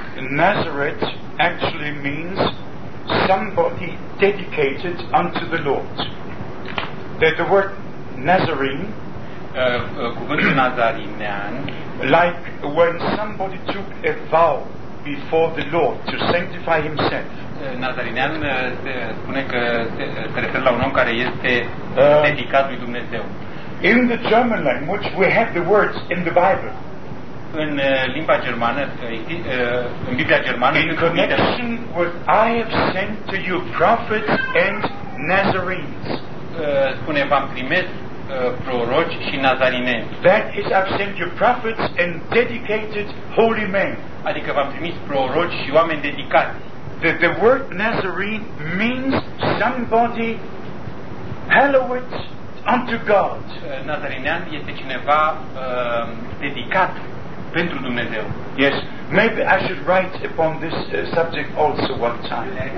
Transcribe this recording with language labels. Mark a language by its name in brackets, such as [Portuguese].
[English] Nazareth actually means somebody dedicated unto the Lord. That the word Nazarene, [Romanian] cuvântul Nazarinean, [English] like when somebody took a vow before the Lord to sanctify himself. [Romanian] Nazarinean spune că se referă la un om care este dedicat lui Dumnezeu. [English] In the German language we have the words in the Bible. [Romanian] în limba germană, în Biblia germană, [English] in connection with I have sent to you prophets and Nazarenes. [Romanian] Spune, v-am trimis proroci și nazarineni. [English] That is, I've sent you prophets and dedicated holy men. [Romanian] Adică v-am trimis proroci și oameni dedicați. [English] The word Nazarene means somebody hallowed unto God. [Romanian] Nazarenean este cineva dedicat pentru Dumnezeu. [English] Yes, maybe I should write upon this subject also one time.